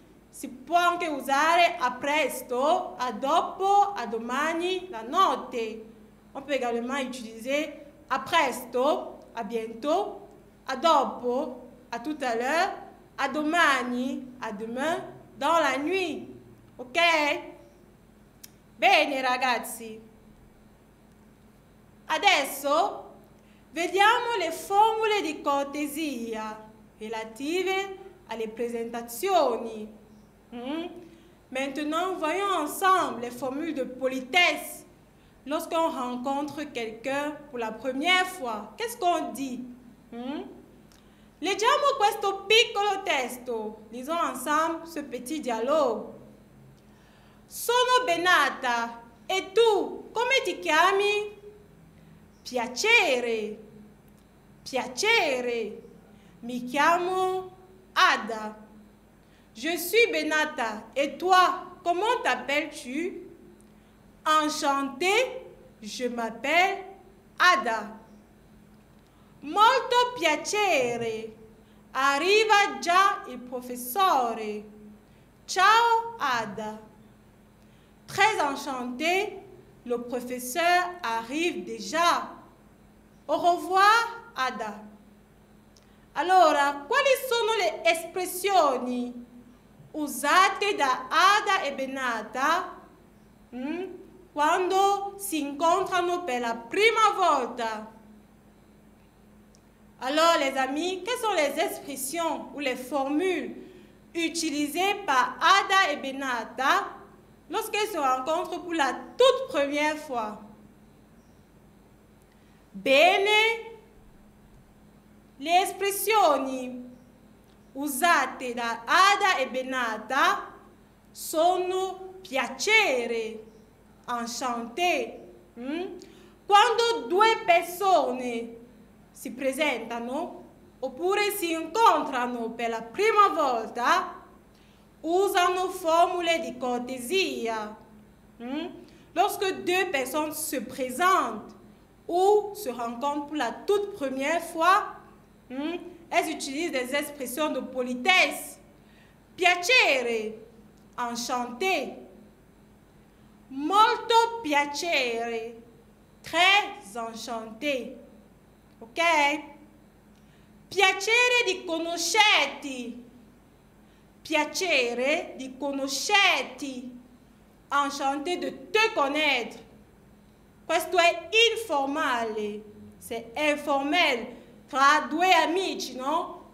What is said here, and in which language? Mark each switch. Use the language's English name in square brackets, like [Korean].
[Italian] Si può anche usare a presto, a dopo, a domani, la notte. [French] On peut également utiliser a presto, a bientôt, a dopo, a tout à l'heure, a domani, a demain, dans la nuit. [Italian] Ok? Bene, ragazzi. Adesso vediamo le formule di cortesia relative alle presentazioni. [French] Maintenant, voyons ensemble les formules de politesse. Lorsqu'on rencontre quelqu'un pour la première fois, qu'est-ce qu'on dit? [Italian] Leggiamo questo piccolo testo. [French] Lisons ensemble ce petit dialogue. [Italian] Sono Benata. E tu, come ti chiami? Piacere. Piacere. Mi chiamo Ada. [French] Je suis Benata. Et toi, comment t'appelles-tu? Enchantée. Je m'appelle Ada. [Italian] Molto piacere. Arriva già il professore. Ciao Ada. [French] Très enchantée. Le professeur arrive déjà. Au revoir, Ada. [Italian] Allora, quali sono le espressioni usate da Ada e Benata quando si incontrano per la prima volta? [French] Allora, les amis, quelles sont les expressions ou les formules utilisées par Ada e Benata lorsqu'elles se rencontrent pour la toute première fois? [Italian] Bene, le espressioni usate da Ada e Benata sono piacere, enchanté. Quando due persone si presentano oppure si incontrano per la prima volta, usano formule di cortesia. [French] Lorsque deux personnes se présentent ou se rencontrent pour la toute première fois, elles utilisent des expressions de politesse. [Italian] Piacere, enchanté. Molto piacere, [French] très enchanté. [Italian] Ok? Piacere di conoscerti. Piacere di conoscerti. [French] Enchanté de te connaître. [Italian] Questo è informale, [French] c'est informel, [Italian] tra due amici, no?